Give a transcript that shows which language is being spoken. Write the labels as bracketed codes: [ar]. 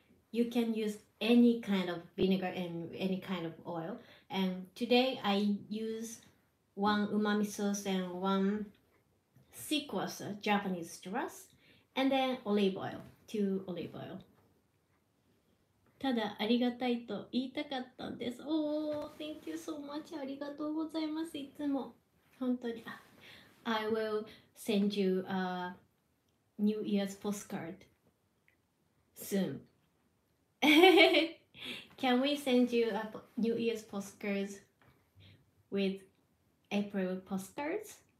[en] You can use any kind of vinegar and any kind of oil. And today I use one umami sauce and one sequoia, Japanese citrus, and then olive oil, two olive oil. [ja] ただありがたいと言いたかったんです。 [en] おお、Thank you so much. [ja] ありがとうございます。いつも本当に。 [en] I will send you a New Year's postcard soon. Can we send you a New Year's postcards with April postcards?